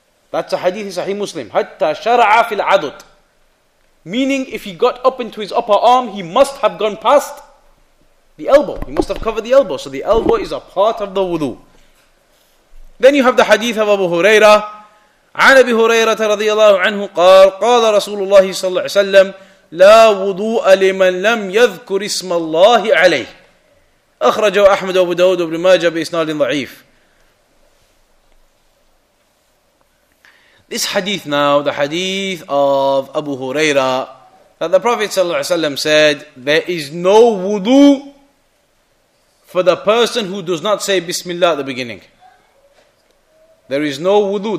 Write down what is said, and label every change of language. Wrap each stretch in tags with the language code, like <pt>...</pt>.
<en>That's a hadith in Sahih Muslim.</en> <ar>Hatta shara'a fil adud.</ar> <en>Meaning, if he got up into his upper arm, he must have gone past the elbow. He must have covered the elbow. So the elbow is a part of the wudu. Then you have the hadith of Abu Hurairah.</en> <ar>عن أبي هريرة رضي الله عنه قال قال رسول الله صلى الله عليه وسلم لا وضوء لمن لم يذكر اسم الله عليه أخرجه أحمد وابو داود وابن ماجه بإسناد ضعيف.</ar> <en>This hadith now, the hadith of Abu Huraira, that the Prophet</en> <ar>صلى الله عليه وسلم</ar> <en>said, there is no wudu for the person who does not say Bismillah at the beginning. There is no wudu.</en>